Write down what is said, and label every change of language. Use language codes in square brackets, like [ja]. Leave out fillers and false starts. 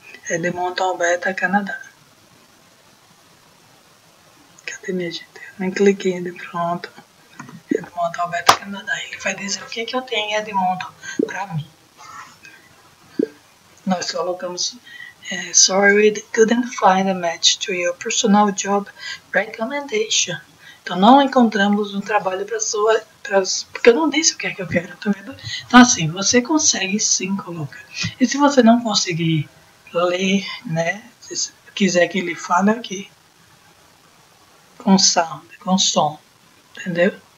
[pt] Edmonton, Alberta, Canadá. Cadê minha gente? Eu nem cliquei ainda, pronto. Edmonton, Alberta, Canadá. Ele vai dizer o que que eu tenho em Edmonton pra mim. Nós colocamos [en] Sorry, we couldn't find a match to your personal job recommendation. [pt] Então, não encontramos um trabalho para sua... Porque eu não disse o que é que eu quero. Então, assim, você consegue sim colocar. E se você não conseguir ler, né? Se quiser que ele fale aqui. Com sound, com som. Entendeu?